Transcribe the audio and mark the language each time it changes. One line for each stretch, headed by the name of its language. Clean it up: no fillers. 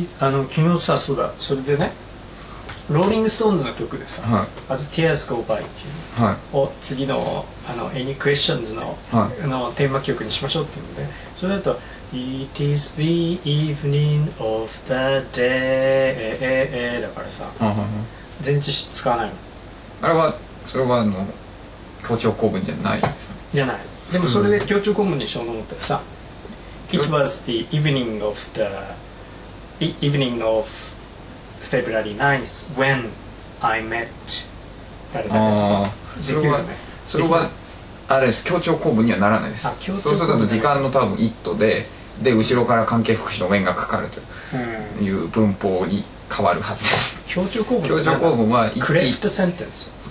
Japanese: あの昨日さ、そうだ、それでね、ローリングストーンズの曲でさ、はい、 As Tears Go By っていうのを、はい、次の、 あの Any Questions の、はい、のテーマ曲にしましょうっていうので、それだと
English: It is the evening of the day
Japanese: だからさ、はいはい、前置詞使わないの。あれはそれはあの強調構文じゃないじゃない。でもそれで強調構文にしようと思ったらさ、うん、
English: It was the evening of the evening of February 9th when I met
Japanese: 誰々。ああ、それは、ね、それはあれです、強調構文にはならないです。あ、強調、そうすると時間の多分 it で、で後ろから関係副詞の when がかかるという文法に、うん、変わるはずです。強調構文、強調構文はクレフトセンテンス、